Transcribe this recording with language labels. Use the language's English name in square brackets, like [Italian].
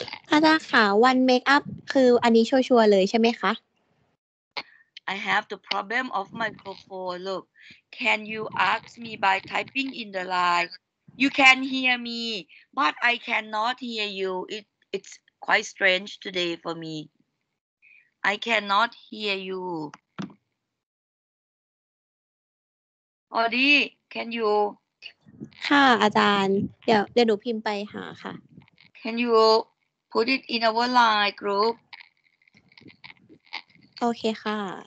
[Thai] อาจารย์ค่ะ [English] one make up [Thai] คืออันนี้ชัวร์ๆเลยใช่ไหมคะ [English] I have the problem of microphone. Look, can you ask me by typing in the line? You can hear me, but I cannot hear you. It's quite strange today for me. I cannot hear you. Odi, can you? [Thai] ค่ะอาจารย์เดี๋ยวหนูพิมพ์ไปหาค่ะ [English] Can you put it in our line group? [Thai] โอเคค่ะ